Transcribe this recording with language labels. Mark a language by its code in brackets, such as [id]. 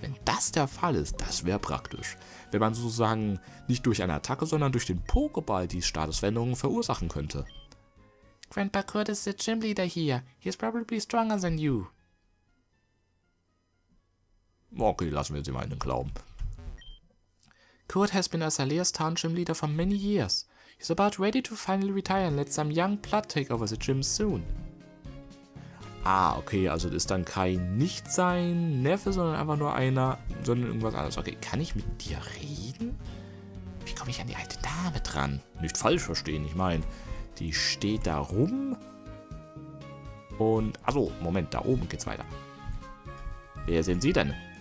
[de] Wenn das der Fall ist, das wäre praktisch. Wenn man sozusagen nicht durch eine Attacke, sondern durch den Pokéball die Statuswendungen verursachen könnte. Grandpa Kurt ist der Gymleader hier. [en] He is probably stronger than you. [de] Okay, lassen wir sie mal in den Glauben. [en] Kurt has been Azaleas Town Gymleader for many years. He's about ready to finally retire and let some young blood take over the gym soon. [de] Ah, okay, also das ist dann kein nicht sein Neffe, sondern einfach nur einer, sondern irgendwas anderes. Okay, kann ich mit dir reden? Wie komme ich an die alte Dame dran? Nicht falsch verstehen, ich meine, Die steht da rum. Und, also, Moment, da oben geht's weiter. Wer sind Sie denn?